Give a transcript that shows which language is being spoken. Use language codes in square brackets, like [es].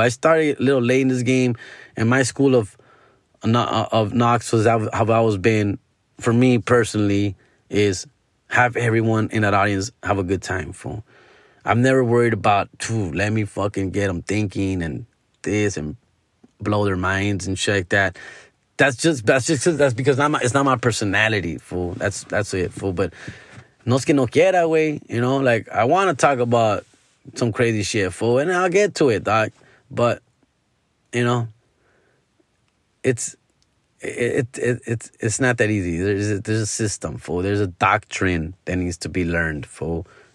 [en] I started a little late in this game, and my school of knocks was how I was being, for me personally, is have everyone in that audience have a good time, fool. I'm never worried about, let me fucking get them thinking and this and blow their minds and shit like that. That's because it's not my personality, fool. That's it, fool. [es] But no es que no quiera, güey. [en] You know, like, I want to talk about some crazy shit, fool, and I'll get to it, dog. But, you know, it's not that easy. There's a system, fool. There's a doctrine that needs to be learned, fool.